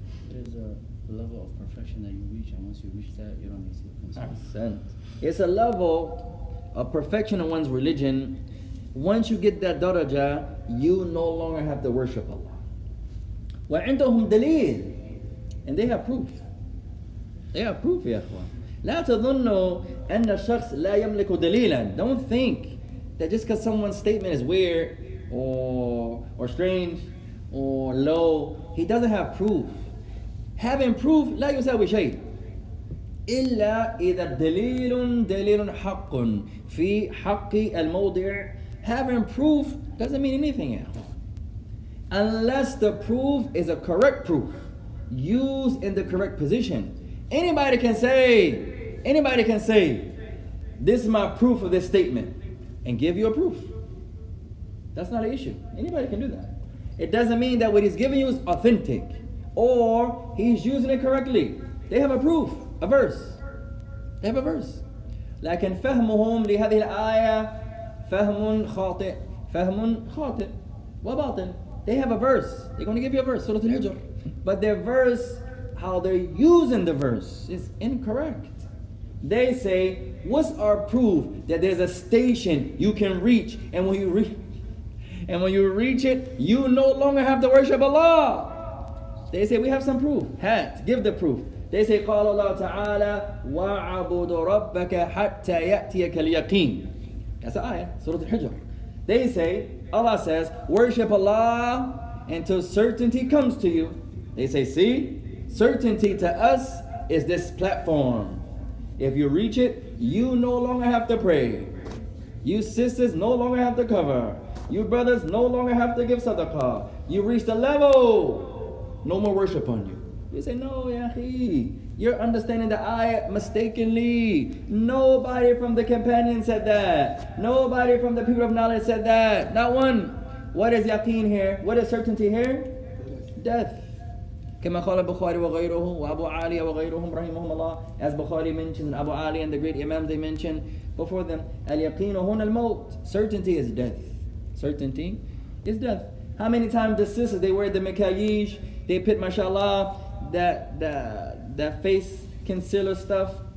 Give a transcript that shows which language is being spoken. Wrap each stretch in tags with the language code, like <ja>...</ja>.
<en>It is a level of perfection that you reach, and once you reach that, you don't need to concern. It's a level of perfection in one's religion. Once you get that daraja, you no longer have to worship Allah.</en> <ar>وَعِنْدَهُمْ دَلِيلٌ</ar> <en>And they have proof. They have proof,</en> <ar>يا أخوان. لا تظنوا أن الشخص لا يملك دليلاً.</ar> <en>Don't think that just because someone's statement is weird or strange or low, he doesn't have proof. Having proof,</en> <ar>لا يساوي شيء. إِلَّا إِذَا دَلِيلٌ دَلِيلٌ حَقٌ فِي حَقِّ الْمَوْضِعِ</ar> <en>Having proof doesn't mean anything else. Unless the proof is a correct proof, used in the correct position. Anybody can say, this is my proof of this statement, and give you a proof. That's not an issue. Anybody can do that. It doesn't mean that what he's giving you is authentic, or he's using it correctly. They have a proof, a verse. They have a verse.</en> <ar>لكن فهمهم لهذه الآية فهم خاطئ وباطل.</ar> <en>They have a verse. They're going to give you a verse, Surah Al-Hijr. But their verse, how they're using the verse, is incorrect. They say, what's our proof that there's a station you can reach, and when you reach it, you no longer have to worship Allah. They say, we have some proof. Give the proof. They say,</en> <ar>قال الله تعالى وعبد ربك حتى يأتيك اليقين.</ar> <en>That's the ayah, Surah Al-Hijr. They say, Allah says, worship Allah until certainty comes to you. They say, see, certainty to us is this platform. If you reach it, you no longer have to pray. You sisters no longer have to cover. You brothers no longer have to give sadaqah. You reach the level, no more worship on you. You say, no, ya akhi. You're understanding the ayah mistakenly. Nobody from the companion said that. Nobody from the people of knowledge said that. Not one. What is yaqeen here? What is certainty here? Death.</en> <ar>كما قال بخاري وغيره وابو علي وغيرهم رحمهم الله.</ar> <en>As Bukhari mentioned, Abu Ali and the great Imam they mentioned before them.</en> <ar>اليقين هنا الموت.</ar> <en>Certainty is death. Certainty is death. How many times the sisters they wear the makayish, they put mashallah that face concealer stuff.</en>